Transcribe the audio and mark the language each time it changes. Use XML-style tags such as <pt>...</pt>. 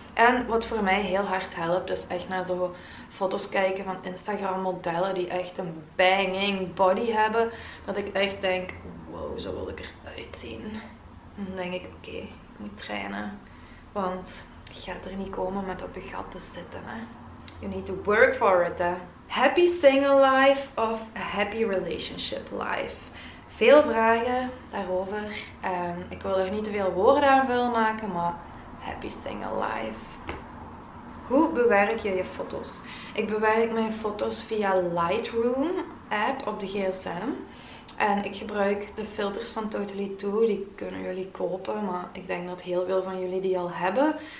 <nl>En wat voor mij heel hard helpt, is echt naar zo foto's kijken van Instagram modellen die echt een</nl> <en>banging body</en> <nl>hebben. Dat ik echt denk, wow, zo wil ik eruit zien. En dan denk ik, oké, ik moet trainen. Want je gaat er niet komen met op je gat te zitten, hè.</nl> <en>You need to work for it, hè. Happy single life of happy relationship life?</en> <nl>Veel vragen daarover. Ik wil er niet te veel woorden aan vullen maken, maar</nl> <en>happy single life.</en> <nl>Hoe bewerk je je foto's? Ik bewerk mijn foto's via Lightroom app op de GSM. En ik gebruik de filters van Totally Too. Die kunnen jullie kopen, maar ik denk dat heel veel van jullie die al hebben.</nl>